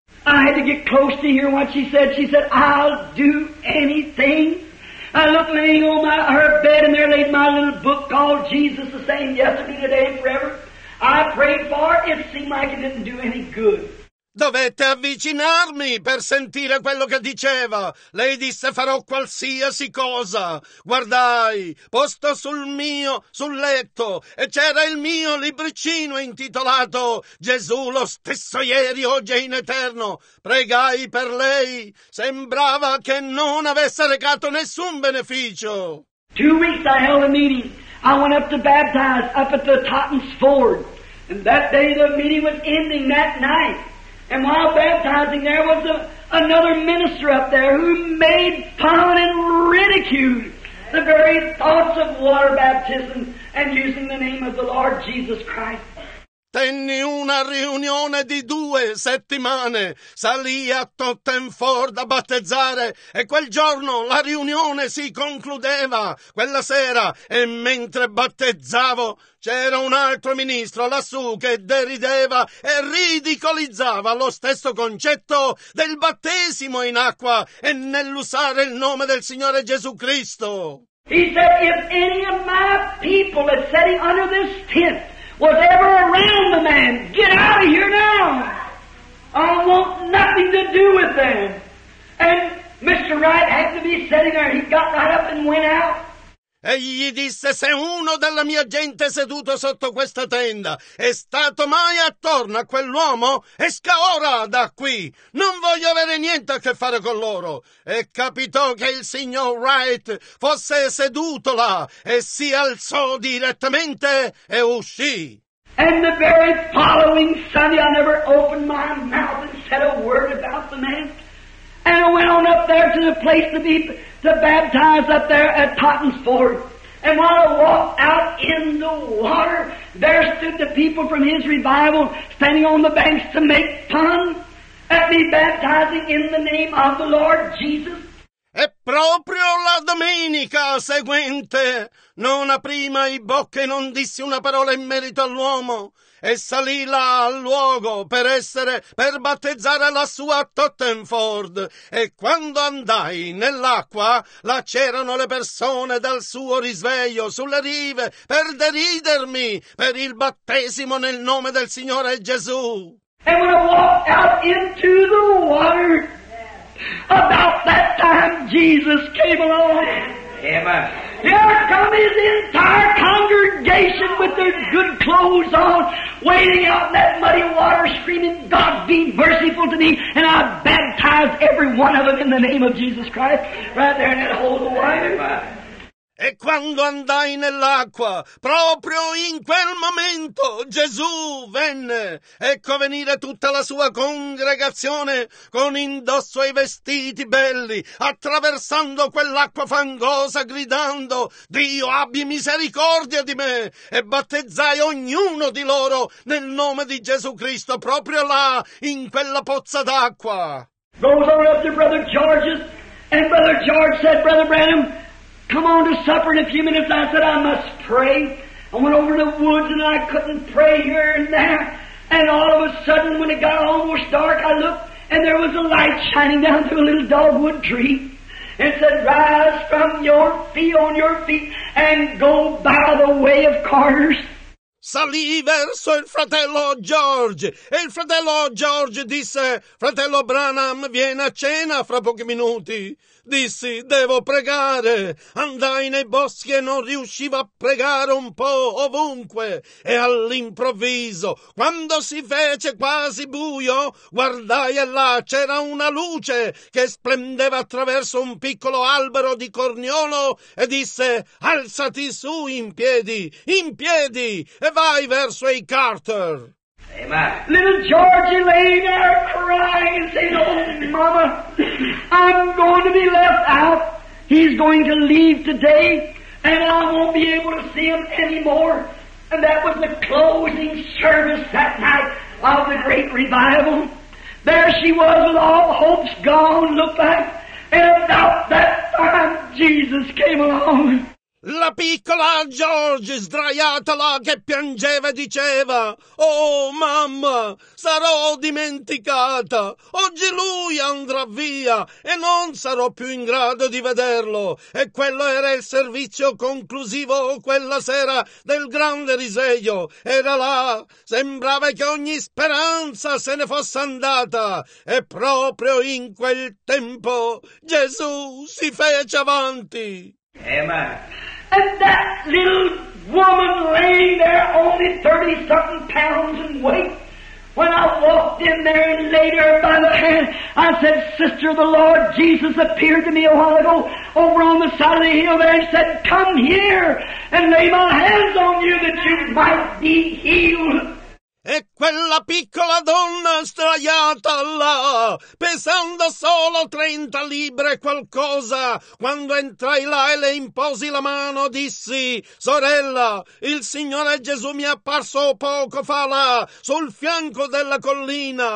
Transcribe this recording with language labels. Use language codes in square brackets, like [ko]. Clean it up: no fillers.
[en] I had to get close to hear what she said, I'll do anything. I looked laying on her bed, and there laid my little book called Jesus the Same Yesterday, Today, and Forever. I prayed for it. It seemed like it didn't do any good. [it] Dovette avvicinarmi per sentire quello che diceva. Lei disse, farò qualsiasi cosa. Guardai, posto sul letto, e c'era il mio libricino intitolato Gesù lo stesso ieri, oggi e in eterno. Pregai per lei. Sembrava che non avesse recato nessun beneficio. [en] 2 weeks I held a meeting. I went up to baptize up at the Totten's Ford. And that day the meeting was ending that night. And while baptizing, there was another minister up there who made fun and ridiculed the very thoughts of water baptism and using the name of the Lord Jesus Christ. [it] Tenni una riunione di 2 settimane, salì a Totten Ford a battezzare, e quel giorno la riunione si concludeva quella sera, e mentre battezzavo c'era un altro ministro lassù che derideva e ridicolizzava lo stesso concetto del battesimo in acqua e nell'usare il nome del Signore Gesù Cristo. [en] He said, if any of my people is sitting under this tent was ever around the man, get out of here now. I want nothing to do with them. And Mr. Wright had to be sitting there. He got right up and went out. [it] E gli disse, se uno della mia gente seduto sotto questa tenda è stato mai attorno a quell'uomo, esca ora da qui. Non voglio avere niente a che fare con loro. E capitò che il signor Wright fosse seduto là e si alzò direttamente e uscì. [en] And the very following Sunday I never opened my mouth and said a word about the man. And I went on up there to the place to be baptized up there at Totten's Ford. And while I walked out in the water, there stood the people from his revival standing on the banks to make fun at me baptizing in the name of the Lord Jesus. [it] E proprio la domenica seguente, non aprì mai bocca e non dissi una parola in merito all'uomo, e salì là al luogo per battezzare la sua Totten Ford. E quando andai nell'acqua, là c'erano le persone dal suo risveglio sulle rive per deridermi per il battesimo nel nome del Signore Gesù. [en] And when I walked out into the water, about that time Jesus came along. Amen. Here come his entire congregation with their good clothes on, wading out in that muddy water, screaming, "God be merciful to me," and I baptized every one of them in the name of Jesus Christ, right there in that hole of the water. [it] E quando andai nell'acqua, proprio in quel momento, Gesù venne. Ecco venire tutta la sua congregazione con indosso i vestiti belli, attraversando quell'acqua fangosa, gridando, "Dio abbi misericordia di me!" E battezzai ognuno di loro nel nome di Gesù Cristo, proprio là, in quella pozza d'acqua. [en] Goes on up to Brother George's, and Brother George said, "Brother Branham, come on to supper in a few minutes." I said, "I must pray." I went over in the woods and I couldn't pray here and there. And all of a sudden, when it got almost dark, I looked and there was a light shining down through a little dogwood tree. It said, "Rise from your feet on your feet and go by the way of Carter's." [it] Salì verso il fratello George e il fratello George disse, "Fratello Branham viene a cena fra pochi minuti." Dissi, "Devo pregare." Andai nei boschi e non riuscivo a pregare un po' ovunque. E all'improvviso, quando si fece quasi buio, guardai e là c'era una luce che splendeva attraverso un piccolo albero di corniolo e disse, "Alzati su in piedi, e vai verso i Carter." Amen. [en] Little Georgie lay there crying and saying, "Oh, Mama, I'm going to be left out. He's going to leave today, and I won't be able to see him anymore." And that was the closing service that night of the great revival. There she was with all hopes gone, looked back, and about that time Jesus came along. [it] La piccola George sdraiata là che piangeva e diceva, "Oh mamma, sarò dimenticata, oggi lui andrà via e non sarò più in grado di vederlo." E quello era il servizio conclusivo quella sera del grande risveglio. Era là, sembrava che ogni speranza se ne fosse andata, e proprio in quel tempo Gesù si fece avanti. Amen. [en] And that little woman laying there, only 30-something pounds in weight, when I walked in there and laid her by the hand, I said, "Sister, the Lord Jesus appeared to me a while ago over on the side of the hill there and said, 'Come here and lay my hands on you that you might be healed.'" [it] E quella piccola donna sdraiata là, pesando solo 30 libbre qualcosa, quando entrai là e le imposi la mano, dissi, "Sorella, il Signore Gesù mi è apparso poco fa là, sul fianco della collina.